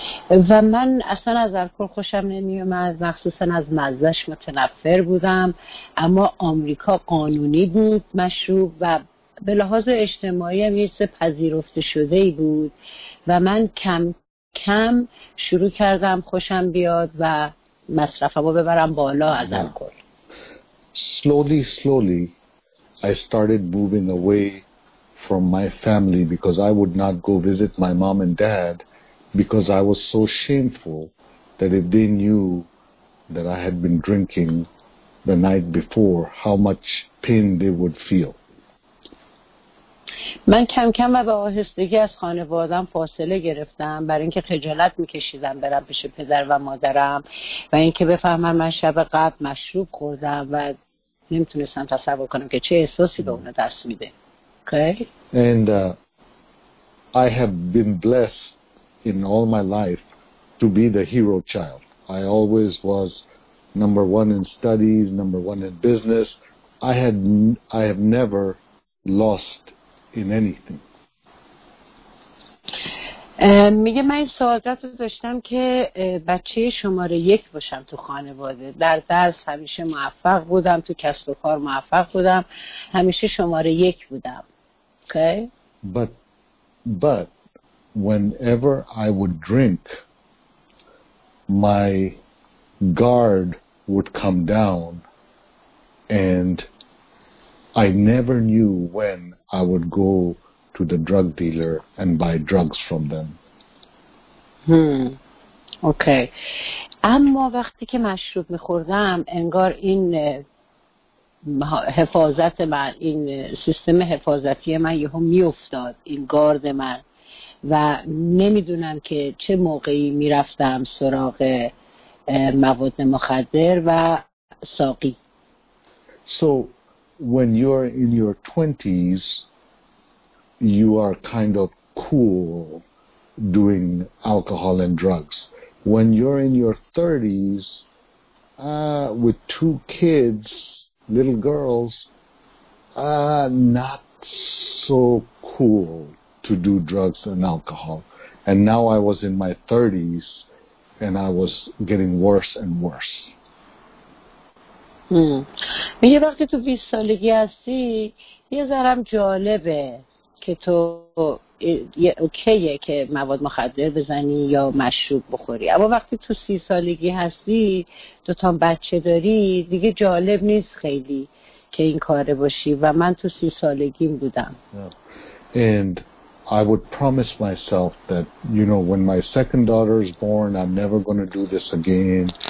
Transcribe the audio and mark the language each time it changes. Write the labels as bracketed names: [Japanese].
[Persian] و من اصلا از الکل خوشم نمی اومد، مخصوصا از مزهش متنفر بودم، اما آمریکا قانونی بود مشروب و به لحاظ اجتماعی هم یه چیز پذیرفته شده ای بود و من کم کم شروع کردم خوشم بیاد و مصرفمو ببرم بالا از الکل. [English] Slowly, I started moving away from my family because I would not go visit my mom and dad because I was so shameful that if they knew that I had been drinking the night before, how much pain they would feel. [Persian] من کم کم و به آهستگی از خانوادم فاصله گرفتم برای اینکه خجالت میکشیدم برم پیش پدر و مادرم و اینکه بفهمم من شب قبل مشروب خوردم و نمیتونستم تصور کنم که چه احساسی به اون دست میده. [English] And I have been blessed in all my life to be the hero child. I always was number one in studies, number one in business. I have never lost in anything. [Persian] میگه من این سعادت رو داشتم که بچه شماره یک باشم تو خانواده. در درس همیشه موفق بودم، تو کسب و کار موفق بودم، همیشه شماره یک بودم. [English] Okay? But whenever I would drink, my guard would come down and I never knew when I would go to the drug dealer and buy drugs from them. [Persian] اوکی. اما وقتی که مشروب میخوردم انگار این حفاظت من، این سیستم حفاظتی من یهو میافتاد، این گارد من، و نمیدونم که چه موقعی میرفتم سراغ مواد مخدر و ساقی. [English] So when you are in your 20s, you are kind of cool doing alcohol and drugs. When you're in your 30s, with two kids, little girls, not so cool to do drugs and alcohol. And now I was in my 30s, and I was getting worse and worse. [Persian] میگه وقتی تو 20 سالگی هستی یه ذرم جالبه که تو اوکیه که مواد مخدر بزنی یا مشروب بخوری، اما وقتی تو 30 سالگی هستی دوتا بچه داری دیگه جالب نیست خیلی که این کاره باشی، و من تو 30 سالگیم بودم. [English] Yeah. And I would promise myself that, you know, when my second daughter is born, I'm never going to do this again.